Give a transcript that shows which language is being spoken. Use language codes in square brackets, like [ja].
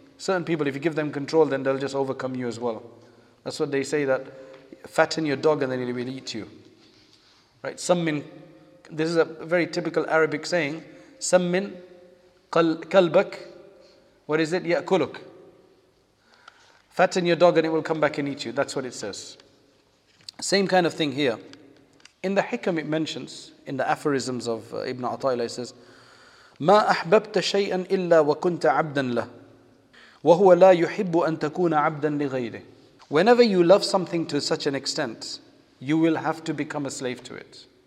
[en] Certain people, if you give them control, then they'll just overcome you as well. That's what they say, that fatten your dog and then it will eat you. Right? This is a very typical Arabic saying. Sammin kalbak. What is it? Ya'kuluk. Fatten your dog and it will come back and eat you. That's what it says. Same kind of thing here. In the Hikam it mentions, in the aphorisms of Ibn Ataylah, it says, [ar] ما أحببت شيئا إلا وكنت عبدا له وهو لا يحب أن تكون عبدا لغيره. [en] Whenever you love something to such an extent, you will have to become a slave to it.